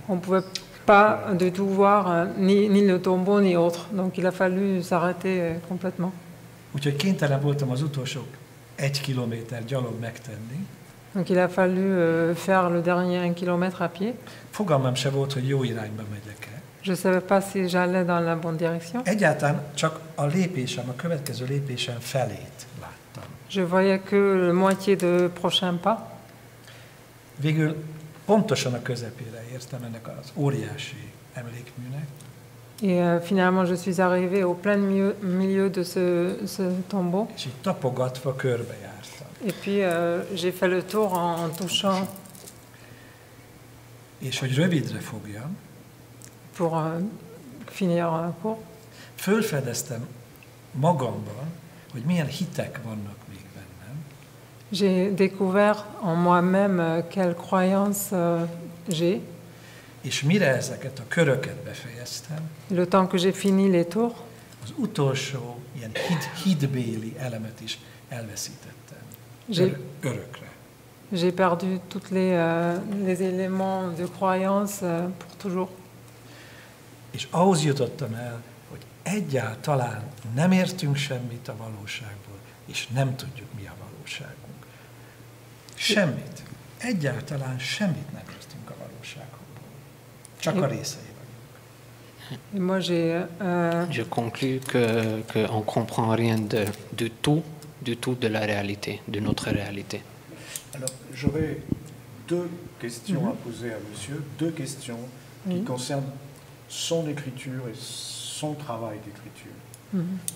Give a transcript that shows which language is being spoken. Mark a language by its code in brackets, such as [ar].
[fr] On pouvait pas de tout voir ni le tombeau ni autre. Donc il a fallu s'arrêter complètement. [hu] Úgyhogy kénytelen voltam az utolsó 1 kilométer gyalog megtenni. [fr] Donc il a fallu faire le dernier 1 kilomètre à pied. [hu] Fogalmam se volt, hogy jó irányba megyek-e. [fr] Je savais pas si j'allais dans la bonne direction. [hu] Egyáltalán csak a lépésem, a következő lépésem felét láttam. [fr] Je voyais que la moitié de prochain pas. [hu] Végül pontosan a közepére értem ennek az óriási emlékműnek. [fr] Et finalement je suis arrivé au plein milieu de ce tombeau. [hu] És így tapogatva körbejártam. [fr] Et puis j'ai fait le tour en touchant. [hu] És hogy rövidre fogjam. [fr] Pour finir un cours. [hu] Fölfedeztem magamban, hogy milyen hitek vannak még bennem. [fr] J'ai découvert en moi-même quelle croyance j'ai. [hu] És mire ezeket a köröket befejeztem? [fr] Le temps que j'ai fini les tours. [hu] Az utolsó ilyen hitbéli elemet is elveszítettem. Örökre. [fr] J'ai perdu toutes les éléments de croyance pour toujours. [hu] És ahhoz jutottam el, hogy egyáltalán nem értünk semmit a valóságból, és nem tudjuk, mi a valóságunk. Semmit. Egyáltalán semmit nem értünk a valóságból. Csak a részei vagyunk. [fr] Je conclue que on comprend rien du tout de la réalité, de notre réalité. Alors, j'aurais deux questions à poser à monsieur, deux questions qui concernent son écriture et son travail d'écriture.